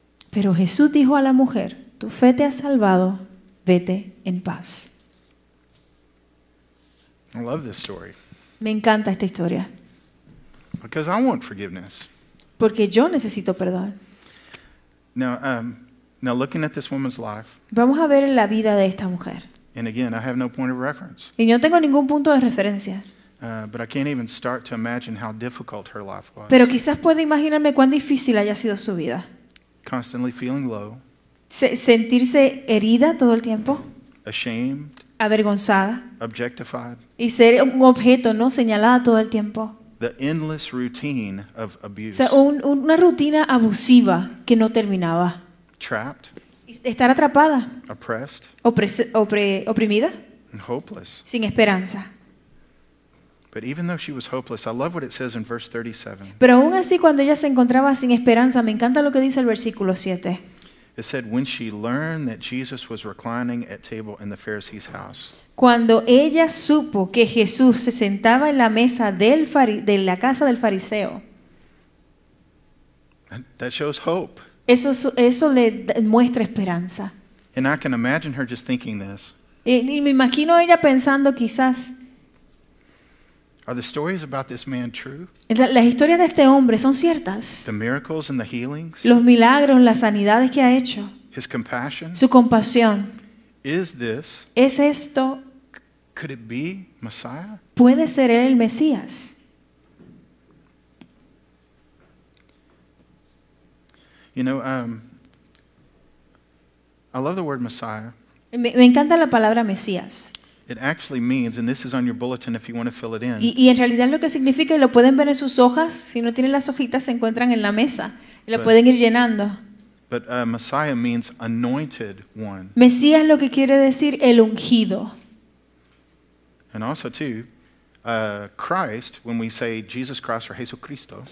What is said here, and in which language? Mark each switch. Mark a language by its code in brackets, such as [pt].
[es] Pero Jesús dijo a la mujer, tu fe te ha salvado, vete en paz. [en] I love this story. [es] Me encanta esta historia. [en] Because I want forgiveness. [es] Porque yo necesito perdón. [en] Now looking at this woman's life. [es] Vamos a ver la vida de esta mujer. [en] And again, I have no point of reference. [es] Y no tengo ningún punto de referencia. [en] But I can't even start to imagine how difficult her life was. [es] Pero quizás pueda imaginarme cuán difícil haya sido su vida. [en] Constantly feeling low. [es] Sentirse herida todo el tiempo. [en] Ashamed. [es] Avergonzada. [en] Objectified. [es] Y ser un objeto, ¿no? Señalada todo el tiempo. [en] The endless routine of abuse. [es] O sea, una rutina abusiva que no terminaba. [en] Trapped. [es] Estar atrapada. [en] Oppressed. [es] Oprimida. [en] And hopeless. [es] Sin esperanza. [en] But even though she was hopeless, I love what it says in verse 37. [es] Pero aún así, cuando ella se encontraba sin esperanza, me encanta lo que dice el versículo 7. [en] It said, when she learned that Jesus was reclining at table in the Pharisee's house. [es] Cuando ella supo que Jesús se sentaba en la mesa de la casa del fariseo. [en] That shows hope. [es] Eso le muestra esperanza. [en] And I can imagine her just thinking this. [es] Y me imagino ella pensando quizás. [en] Are the stories about this man true? [es] Las historias de este hombre son ciertas. [en] The miracles and the healings. [es] Los milagros, las sanidades que ha hecho. [en] His compassion. [es] Su compasión. [en] Is this? [es] ¿Es esto? [en] Could it be Messiah? [es] ¿Puede ser él el Mesías? [en] You know, I love the word Messiah. [es] Me encanta la palabra Mesías. [en] It actually means, and this is on your bulletin if you want to fill it in. [es] Y en realidad lo que significa, y lo pueden ver en sus hojas, si no tienen las hojitas, se encuentran en la mesa, y lo pueden ir llenando. [en] But Messiah means anointed one. [es] Mesías lo que quiere decir el ungido. [en] And also too, Christ, when we say Jesus Christ or Jesucristo.